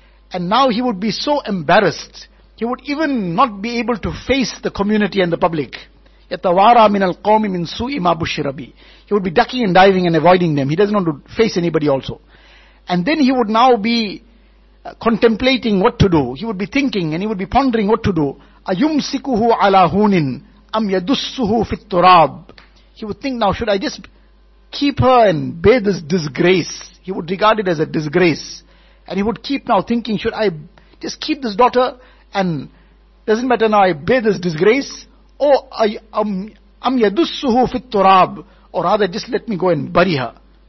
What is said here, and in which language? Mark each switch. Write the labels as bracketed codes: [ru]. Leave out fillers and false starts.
[en] And now he would be so embarrassed, he would even not be able to face the community and the public. [ar] يَتَوَارَى مِنَ الْقَوْمِ مِنْ سُوءِ مَا بُشِّرَ بِهِ. [en] He would be ducking and diving and avoiding them. He doesn't want to face anybody also. And then he would now be contemplating what to do. He would be thinking and he would be pondering what to do. [ar] أَيُمْسِكُهُ عَلَى هُونٍ أَمْ يَدُسُّهُ فِي التُّرَابِ. [en] He would think, now should I just keep her and bear this disgrace? He would regard it as a disgrace. And he would keep now thinking, should I just keep this daughter and doesn't matter now, I bear this disgrace? Oh, [ar] am yadussuhu fit turab, [en] or rather, just let me go and bury her.